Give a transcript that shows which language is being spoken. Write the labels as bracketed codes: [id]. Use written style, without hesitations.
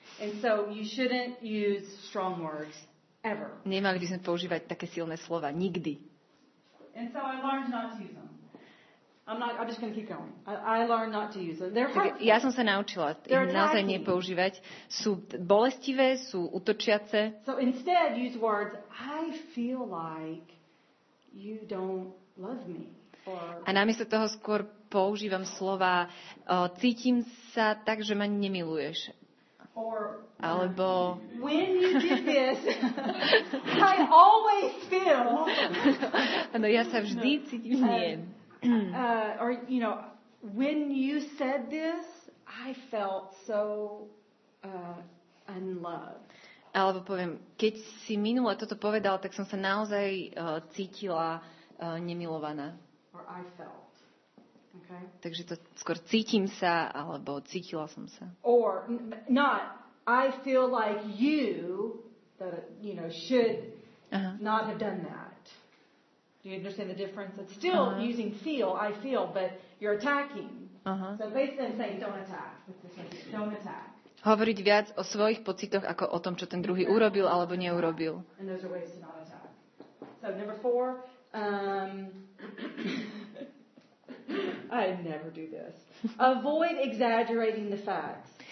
[en] And so you shouldn't use strong words ever. [sk] Nemali by sme používať také silné slova nikdy. [en] And so I learned not to use them. I'm just going to keep going. I learned not to use them. They're hurtful. [sk] Ja som sa naučila ich naozaj nepoužívať. Sú bolestivé, sú útočiace. [en] So instead use words I feel like you don't love me. [sk] A namiesto toho skôr používam slova cítim sa tak, že ma nemiluješ. Alebo [en] when you did this I always feel [sk] no, ja sa vždy cítim nie. [en] Or you know when you said this I felt so unloved. [sk] Alebo poviem, keď si minule toto povedal, tak som sa naozaj cítila nemilovaná. [en] Or I felt. Okay. [sk] Takže to skôr cítim sa alebo cítila som sa. [en] Or not I feel like you that you know should not have done that. Do you understand the difference? It's still using feel, I feel, but you're attacking. So basically I'm saying don't attack. Don't attack. [sk] Hovoriť viac o svojich pocitoch ako o tom, čo ten druhý urobil alebo neurobil. [en] And those are ways to not attack. So number four, I never do this. Avoid exaggerating the facts.